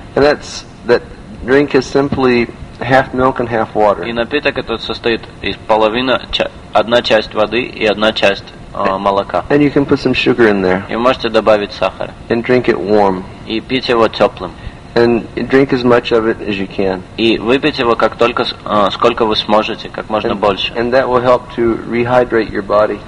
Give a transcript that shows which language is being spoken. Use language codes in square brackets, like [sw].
[en] And that drink is simply half milk and half water. [ru] И напиток этот состоит из половины, одна часть воды и одна часть молока. [en] And you can put some sugar in there. [ru] И можете добавить сахар. [en] And drink it warm. [ru] И пить его теплым. [en] And drink as much of it as you can. [ru] И выпить его как только сколько вы сможете, как можно больше. [en] And that will help to rehydrate your body.